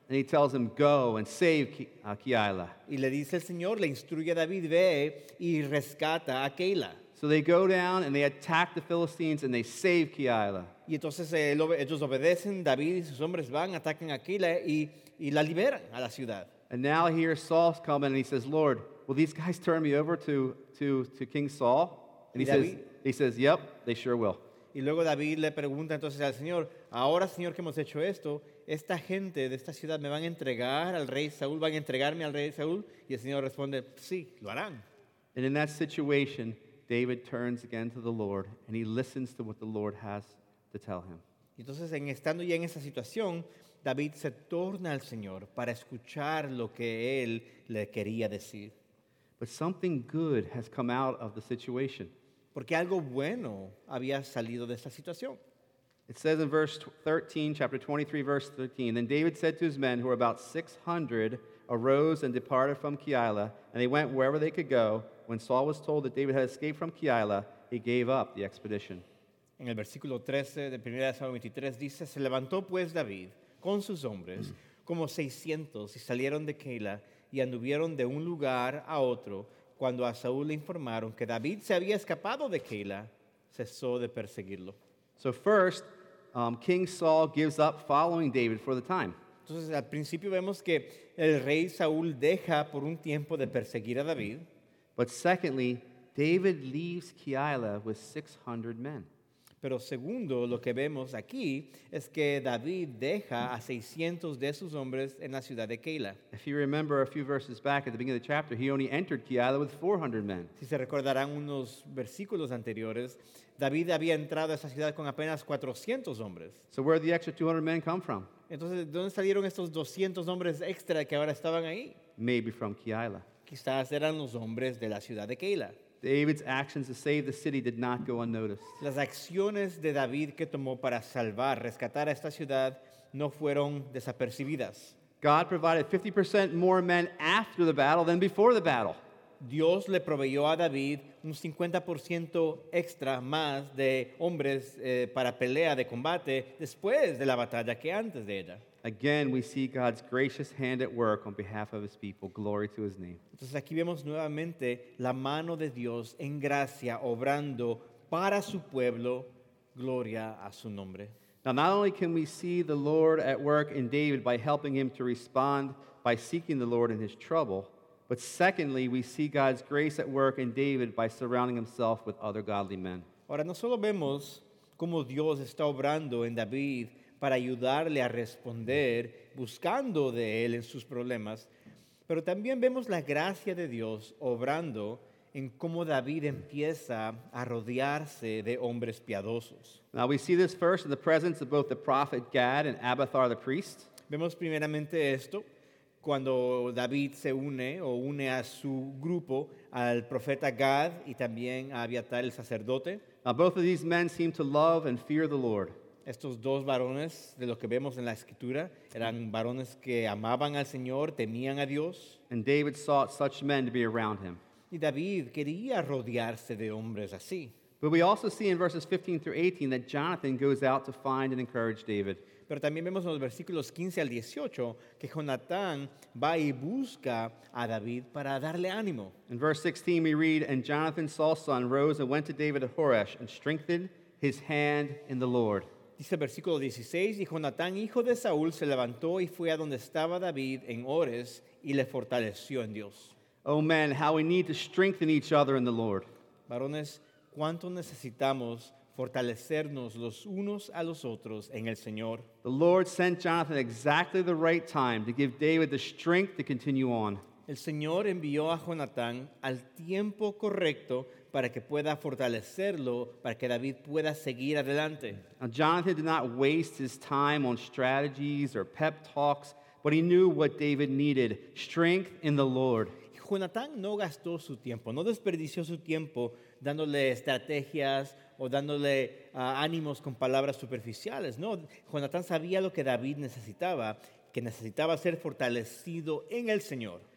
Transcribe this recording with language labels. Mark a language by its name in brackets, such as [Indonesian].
[English] And he tells him, go and save Keilah. [Spanish] Y le dice el Señor, le instruye a David, ve y rescata a Keilah. [English] So they go down and they attack the Philistines and they save Keilah. [Spanish] Y entonces ellos obedecen, David y sus hombres van, atacan a Keilah y la liberan a la ciudad. [English] And now here Saul's coming and he says, Lord, will these guys turn me over to King Saul? And he says, yep, they sure will. [Spanish] Y luego David le pregunta entonces al Señor, ahora Señor que hemos hecho esto, esta gente de esta ciudad me van a entregar al rey Saúl, van a entregarme al rey Saúl? Y el Señor responde, sí, lo harán. [English] And in that situation, David turns again to the Lord and he listens to what the Lord has to tell him. [Spanish] Entonces, en estando ya en esa situación, David se torna al Señor para escuchar lo que él le quería decir. [English] But something good has come out of the situation. [Spanish] Porque algo bueno había salido de esa situación. [English] It says in verse 13, chapter 23, verse 13, then David said to his men, who were about 600, arose and departed from Keilah, and they went wherever they could go. When Saul was told that David had escaped from Keilah, he gave up the expedition. [Spanish] En el versículo 13 de 1 Samuel 23 dice, se levantó pues David con sus hombres como 600 y salieron de Keilah y anduvieron de un lugar a otro. Cuando a Saúl le informaron que David se había escapado de Keilah, cesó de perseguirlo. [English] So first, King Saul gives up following David for the time. [Spanish] Entonces al principio vemos que el rey Saúl deja por un tiempo de perseguir a David. [English] But secondly, David leaves Keilah with 600 men. [Spanish] Pero segundo, lo que vemos aquí es que David deja a 600 de sus hombres en la ciudad de Keilah. [English] If you remember a few verses back at the beginning of the chapter, he only entered Keilah with 400 men. [Spanish] Si se recordarán unos versículos anteriores, David había entrado a esa ciudad con apenas 400 hombres. [English] So where did the extra 200 men come from? [Spanish] Entonces, ¿de dónde salieron estos 200 hombres extra que ahora estaban ahí? [English] Maybe from Keilah. [Spanish] Quizás eran los hombres de la ciudad de Keilah. [English] David's actions to save the city did not go unnoticed. [Spanish] Las acciones de David que tomó para salvar, rescatar a esta ciudad, no fueron desapercibidas. [English] God provided 50% more men after the battle than before the battle. [Spanish] Dios le proveyó a David un 50% extra más de hombres para pelea de combate después de la batalla que antes de ella. [English] Again, we see God's gracious hand at work on behalf of his people. Glory to his name. [Spanish] Entonces aquí vemos nuevamente la mano de Dios en gracia obrando para su pueblo. Gloria a su nombre. [English] Now, not only can we see the Lord at work in David by helping him to respond by seeking the Lord in his trouble, but secondly, we see God's grace at work in David by surrounding himself with other godly men. [Spanish] Ahora, no solo vemos cómo Dios está obrando en David para ayudarle a responder, buscando de él en sus problemas. Pero también vemos la gracia de Dios obrando en cómo David empieza a rodearse de hombres piadosos. [English] Now we see this first in the presence of both the prophet Gad and Abiathar the priest. [Spanish] Vemos primeramente esto cuando David se une o une a su grupo al profeta Gad y también a Abiathar el sacerdote. [English] Now both of these men seem to love and fear the Lord. [Spanish] Estos dos varones, de lo que vemos en la Escritura, eran varones que amaban al Señor, temían a Dios. [English] And David sought such men to be around him. [Spanish] Y David quería rodearse de hombres así. [English] But we also see in verses 15 through 18 that Jonathan goes out to find and encourage David. [Spanish] Pero también vemos en los versículos 15 al 18 que Jonatán va y busca a David para darle ánimo. [English] In verse 16 we read, and Jonathan, Saul's son, rose and went to David at Horesh and strengthened his hand in the Lord. [Spanish] Dice versículo 16, y Jonatán, hijo de Saúl, se levantó y fue a donde estaba David en Ores y le fortaleció en Dios. [English] Oh man, how we need to strengthen each other in the Lord. [Spanish] Varones, ¿cuánto necesitamos fortalecernos los unos a los otros en el Señor? [English] The Lord sent Jonathan exactly the right time to give David the strength to continue on. [Spanish] El Señor envió a Jonatán al tiempo correcto para que pueda fortalecerlo, para que David pueda seguir adelante. [English] Now, Jonathan did not waste his time on strategies or pep talks, but he knew what David needed, strength in the Lord. [Spanish] Jonatán no gastó su tiempo, no desperdició su tiempo dándole estrategias o dándole ánimos con palabras superficiales. No, Jonatán sabía lo que David necesitaba, que necesitaba ser fortalecido en el Señor.